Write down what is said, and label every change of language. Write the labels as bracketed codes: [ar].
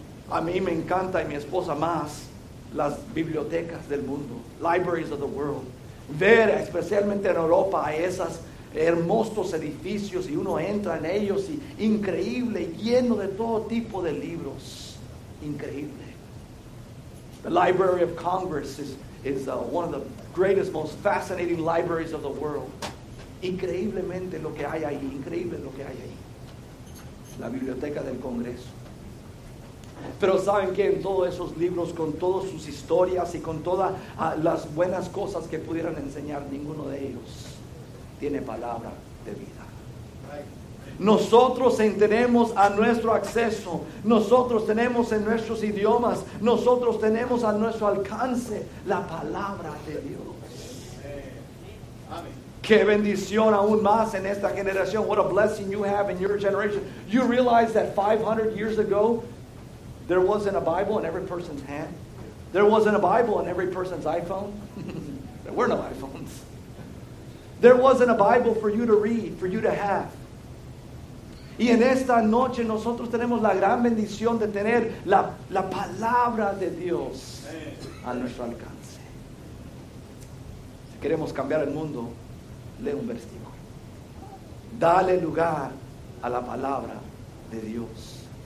[es] A mí me encanta y mi esposa más las bibliotecas del mundo, [en] libraries of the world. [es] Ver especialmente en Europa esas hermosos edificios y uno entra en ellos y increíble, lleno de todo tipo de libros. Increíble. [en] The Library of Congress is one of the greatest, most fascinating libraries of the world. [es] Increíblemente lo que hay ahí, increíble lo que hay ahí. La Biblioteca del Congreso. Pero ¿saben qué? En todos esos libros, con todas sus historias y con todas las buenas cosas que pudieran enseñar, ninguno de ellos tiene palabra de vida. Nosotros tenemos a nuestro acceso, nosotros tenemos en nuestros idiomas, nosotros tenemos a nuestro alcance la palabra de Dios. Amen. Qué bendición aún más en esta generación. [en] What a blessing you have in your generation. You realize that 500 years ago, there wasn't a Bible in every person's hand. There wasn't a Bible in every person's iPhone. There were no iPhones. There wasn't a Bible for you to read, for you to have. [es] Y en esta noche nosotros tenemos la gran bendición de tener la palabra de Dios a nuestro alcance. Si queremos cambiar el mundo, lee un versículo. Dale lugar a la palabra de Dios.